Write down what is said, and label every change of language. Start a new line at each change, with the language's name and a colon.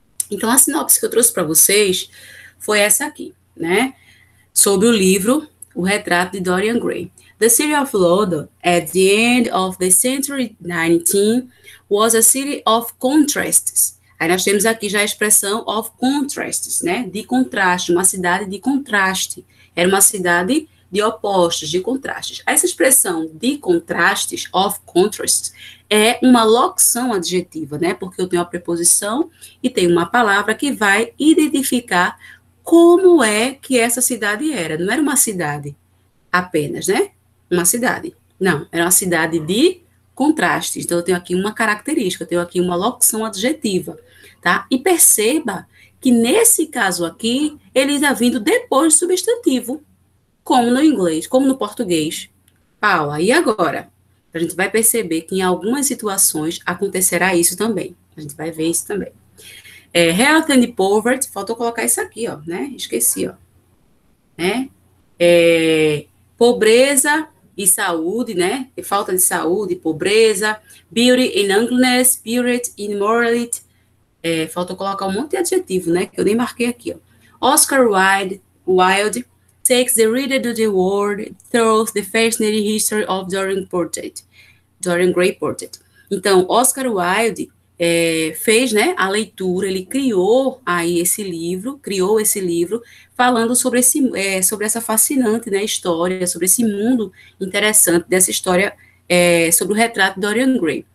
Portuguese: Então, a sinopse que eu trouxe para vocês foi essa aqui, né? Sobre o livro O Retrato de Dorian Gray.
English: The city of London, at the end of the century 19, was a city of contrasts.
Portuguese: Aí nós temos aqui já a expressão of contrasts, né? De contraste, uma cidade de contraste. Era uma cidade de opostos, de contrastes. Essa expressão de contrastes, of contrasts, é uma locução adjetiva, né? Porque eu tenho a preposição e tenho uma palavra que vai identificar como é que essa cidade era. Não era uma cidade apenas, né? Uma cidade. Não, era uma cidade de contrastes. Então, eu tenho aqui uma característica, eu tenho aqui uma locução adjetiva, tá? E perceba que nesse caso aqui, ele está vindo depois do substantivo, como no inglês, como no português. Paula, e agora? A gente vai perceber que em algumas situações acontecerá isso também. A gente vai ver isso também. É,
English: health and poverty,
Portuguese: faltou colocar isso aqui, ó, né? Esqueci, ó. Né? É, pobreza e saúde, né? Falta de saúde, pobreza.
English: Beauty and ugliness, spirit and morality.
Portuguese: É, falta colocar um monte de adjetivo, né? Que eu nem marquei aqui, ó.
English: Oscar Wilde takes the reader to the world through the fascinating history of Dorian Gray Portrait.
Portuguese: Então, Oscar Wilde fez, né, a leitura, ele criou aí esse livro, criou esse livro falando sobre sobre essa fascinante, né, história, sobre esse mundo interessante dessa história, sobre o retrato de Dorian Gray.